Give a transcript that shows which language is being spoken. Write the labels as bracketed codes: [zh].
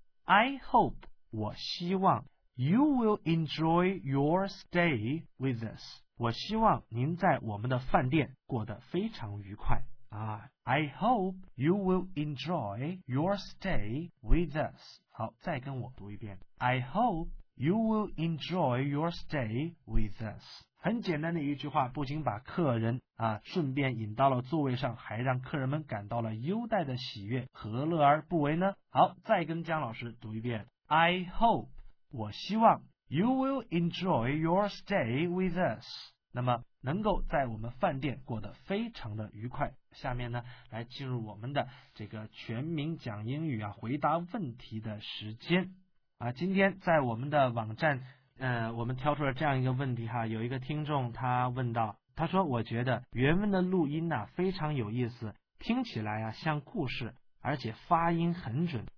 [en] I hope [zh] 我希望 [en] you will enjoy your stay with us. [zh] 我希望您在我们的饭店过得非常愉快。 [en] I hope you will enjoy your stay with us. [zh] 好，再跟我读一遍。 [en] I hope you will enjoy your stay with us. [zh] 很简单的一句话，不仅把客人啊顺便引到了座位上，还让客人们感到了优待的喜悦，何乐而不为呢？好，再跟姜老师读一遍。 [en] I hope [zh] 我希望 [en] you will enjoy your stay with us. [zh] 那么能够在我们饭店过得非常的愉快。下面呢，来进入我们的这个全民讲英语啊，回答问题的时间啊。今天在我们的网站，我们挑出了这样一个问题哈，有一个听众他问到，他说我觉得原文的录音呢非常有意思，听起来啊像故事，而且发音很准。